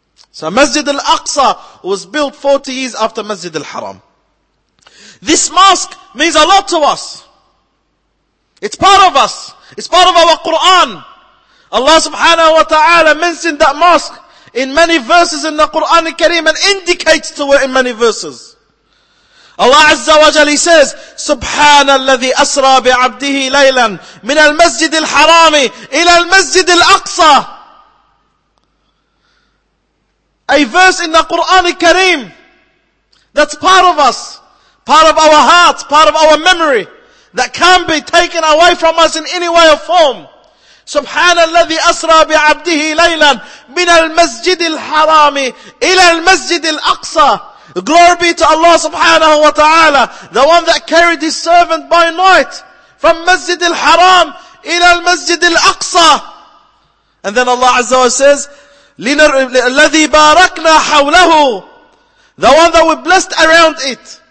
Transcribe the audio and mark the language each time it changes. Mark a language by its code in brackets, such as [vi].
[en] So Masjid al-Aqsa was built 40 years after Masjid al-Haram. This mosque means a lot to us. It's part of us. It's part of our Quran. Allah subhanahu wa ta'ala mentioned that mosque in many verses in the Quran al-Kareem and indicates to it in many verses. Allah Azza wa Jalla says, [ar] سبحان الذي أسرى بعبده ليلا من المسجد الحرام إلى المسجد الأقصى. [en] A verse in the Quran al-Kareem that's part of us, part of our hearts, part of our memory, that can't be taken away from us in any way or form. [ar] سبحان الذي أسرى بعبده ليلا من المسجد الحرام إلى المسجد الأقصى. [en] Glory be to Allah subhanahu wa ta'ala, the one that carried his servant by night from Masjid al-Haram ila al-Masjid al-Aqsa. And then Allah Azza wa says, [ar] الَّذِي بَارَكْنَا حَوْلَهُ, [en] the one that we blessed around it.